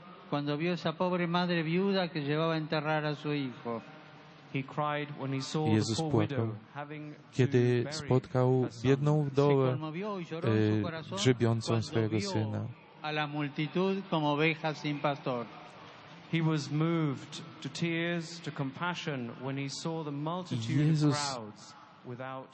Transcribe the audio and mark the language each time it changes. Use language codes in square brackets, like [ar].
[es] Cuando vio esa pobre madre viuda que llevaba a enterrar a su hijo. [en] He cried when he saw the poor widow having to bury. [pl] Kiedy spotkał biedną wdowę grzebiącą swojego syna. [es] a la multitud como oveja sin pastor. [en] He was moved to tears, to compassion, when he saw the multitude Jesus, of crowds without